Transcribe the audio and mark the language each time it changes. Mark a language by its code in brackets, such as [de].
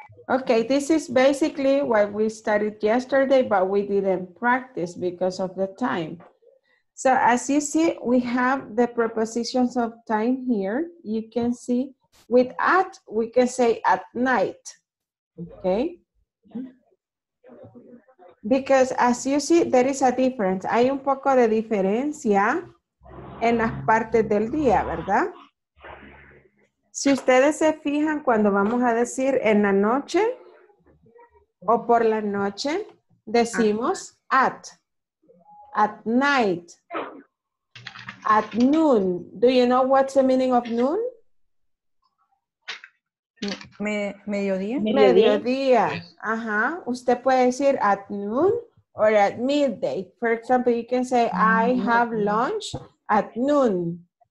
[en] Okay, this is basically what we studied yesterday, but we didn't practice because of the time. So as you see, we have the prepositions of time here. You can see with at, we can say at night, okay? Because as you see, there is a difference. [es] Hay un poco de diferencia en las partes del día, ¿verdad? Si ustedes se fijan, cuando vamos a decir en la noche o por la noche, decimos at night, at noon. [en] Do you know what's the meaning of noon? [es] Mediodía. Mediodía. Ajá. Usted puede decir [en] at noon or at midday. For example, you can say, I have lunch at noon.